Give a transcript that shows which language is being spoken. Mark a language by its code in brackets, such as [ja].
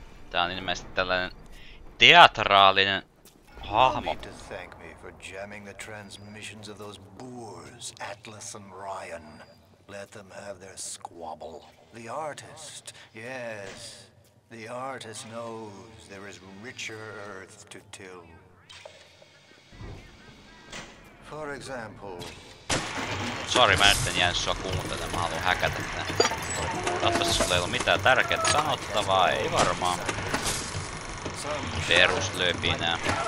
[fi] Tää on ilmeisesti tällainen teatraalinen hahmo. [en] To thank me for jamming the transmissions of those boors, Atlas and Ryan. Let them have their squabble. The artist, yes. The artist knows there is richer earth to till. For example... [fi] Sorry, mä nyt en jäänyt sua kuuntelemaan, mä haluun häkätä tän. Katsotaan, sulla ei ole mitään tärkeää sanottavaa, ei varmaan. Peruslöpinä.